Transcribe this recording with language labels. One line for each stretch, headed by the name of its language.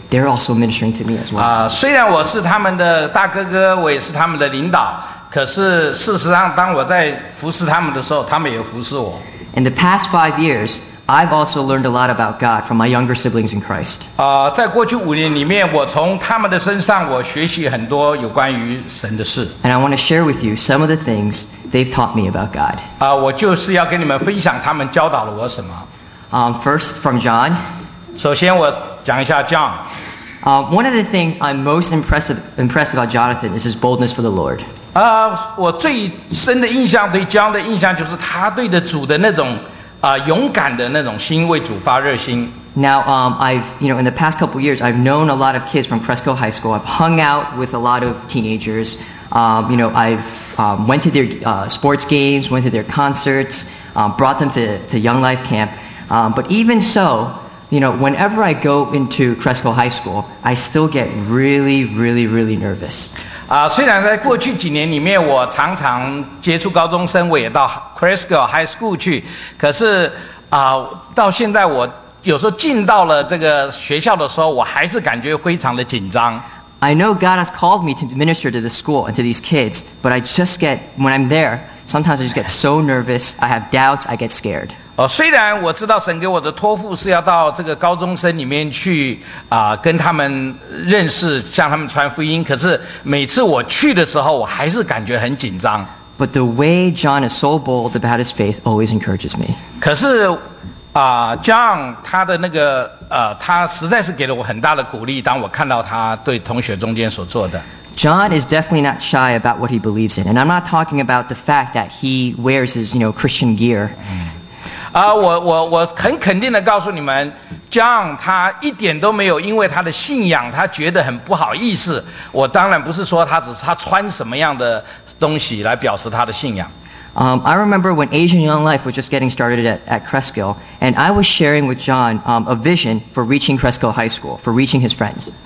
English: They're also ministering to me as well.
Chinese: 虽然我是他们的大哥哥，我也是他们的领导，可是事实上，当我在服侍他们的时候，他们也服侍我。
English: In the past 5 years, I've also learned a lot about God from my younger siblings in Christ.
Chinese: 在过去五年里面，我从他们的身上，我学习很多有关于神的事。
English: And I want to share with you some of the things they've taught me about God.
Chinese: 我就是要跟你们分享他们教导了我什么。
English: First, from John.
Chinese: 首先我讲一下 John.
English: One of the things I'm most impressed about Jonathan is his boldness for the Lord.
Chinese: 我最深的印象对 John 的印象就是他对着主的那种勇敢的那种心，为主发热心。
English: Now, in the past couple years, I've known a lot of kids from Cresco High School. I've hung out with a lot of teenagers. Went to their sports games, went to their concerts, brought them to Young Life Camp. But even so, you know, whenever I go into Cresco High School, I still get really, really, really nervous.
Chinese: 虽然在过去几年里面，我常常接触高中生，我也到 Cresco High School 去，可是到现在我有时候进到了这个学校的时候，我还是感觉非常的紧张。
English: I know God has called me to minister to the school and to these kids, but I just get when I'm there. Sometimes I just get so nervous. I have doubts. I get scared.
Chinese: 虽然我知道神给我的托付是要到这个高中生里面去跟他们认识，向他们传福音，可是每次我去的时候，我还是感觉很紧张。
English: But the way John is so bold about his faith always encourages me.
Chinese: 可是John 他的那个他实在是给了我很大的鼓励，当我看到他对同学中间所做的。
English: John is definitely not shy about what he believes in, and I'm not talking about the fact that he wears his, you know, Christian gear.
Chinese: 我很肯定的告诉你们 ，John 他一点都没有因为他的信仰他觉得很不好意思。我当然不是说他只是他穿什么样的东西来表示他的信仰。
English: I remember when Asian Young Life was just getting started at Cresco, and I was sharing with John a vision for reaching Cresco High School, for reaching his friends.